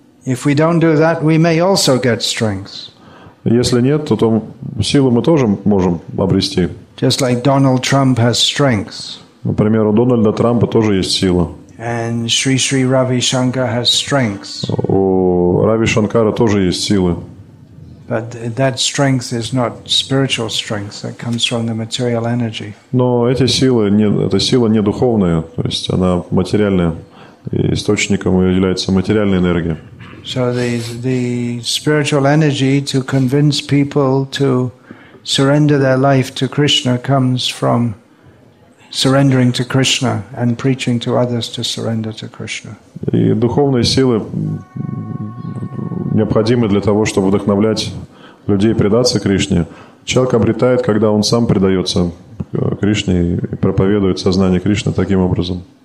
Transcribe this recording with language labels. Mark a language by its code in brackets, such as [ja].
[en] If we don't do that, we may also get strength. [ru] Если нет, то силу мы тоже можем обрести. [en] Just like Donald Trump has strength. [ru] Например, у Дональда Трампа тоже есть сила. [en] And Sri Sri Ravi Shankar has strength. [ru] У Рави Шанкара тоже есть силы. [en] But that strength is not spiritual strength that comes from the material energy. [ru] Но эти силы не, эта сила не духовная, то есть она материальная. И источником является материальная энергия. [en] So the spiritual energy to convince people to surrender their life to Krishna comes from surrendering to Krishna and preaching to others to surrender to Krishna. [ru] И духовные силы необходимы для того, чтобы вдохновлять людей предаться Кришне. Человек обретает, когда он сам предается Кришне и проповедует сознание Кришны таким образом.